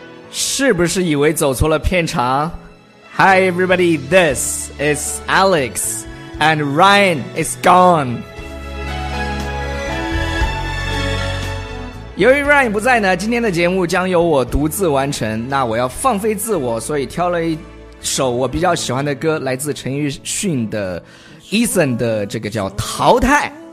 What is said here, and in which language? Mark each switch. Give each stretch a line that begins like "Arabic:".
Chinese: 是不是以为走错了片场？
English: Hi everybody, this is Alex and Ryan is gone.
Chinese: 由于 Ryan 不在呢，今天的节目将由我独自完成，那我要放飞自我，所以挑了一首我比较喜欢的歌，来自陈奕迅的 Eason 的这个叫淘汰。